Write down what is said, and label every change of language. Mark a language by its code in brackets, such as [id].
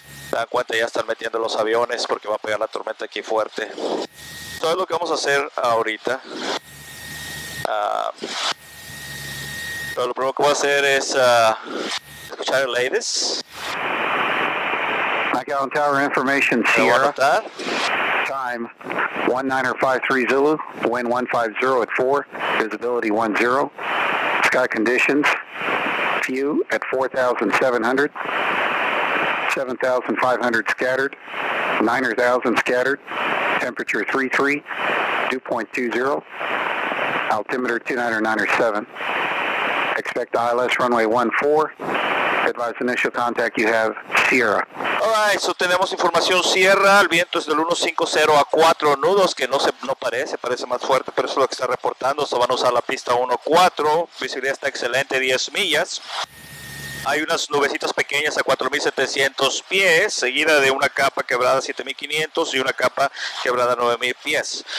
[es] Se dan cuenta, ya están metiendo los aviones porque va a pegar la tormenta aquí fuerte. Todo lo que vamos a hacer ahorita. Pero lo primero que voy a hacer es escuchar el latest. [en] McAllen Tower Information, Sierra. Time 1953 Zulu, wind 150 at 4, visibility 10, sky conditions, few at 4,700, 7,500 scattered, 9,000 scattered, temperature 33, dew point 20. Altimeter 2997. Expect ILS runway 14. Advise initial contact you have Sierra. Alright, so [es] tenemos información Sierra. El viento es del 150 a 4 nudos, que no parece más fuerte, pero eso es lo que está reportando. [en] So [es] van a usar la pista 14. Visibilidad está excelente, 10 millas. Hay unas nubecitas pequeñas a 4700 pies, seguida de una capa quebrada a 7500 y una capa quebrada a 9000 pies.